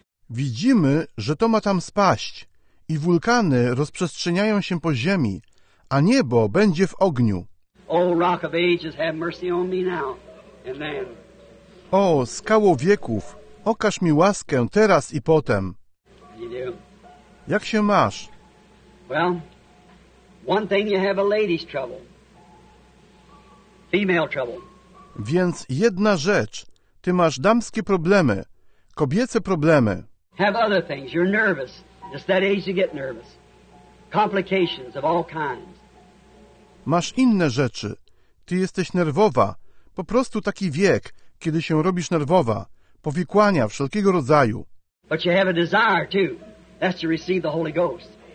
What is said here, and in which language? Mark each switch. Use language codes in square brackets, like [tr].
[pl] Widzimy, że to ma tam spaść i wulkany rozprzestrzeniają się po ziemi, a niebo będzie w ogniu. [en] O, rock of ages, have mercy on me now. Amen. [pl] O, skało wieków, okaż mi łaskę teraz i potem. Jak się masz? [en] Well, one thing you have a lady's trouble. Female trouble. [pl] Więc jedna rzecz. Ty masz damskie problemy. Kobiece problemy. [en] Have other things. You're nervous. Just that age you get nervous. complications of all kinds. [pl] Masz inne rzeczy. Ty jesteś nerwowa. Po prostu taki wiek, kiedy się robisz nerwowa. Powikłania wszelkiego rodzaju. [en] But you have a desire too. That's to receive the Holy Ghost.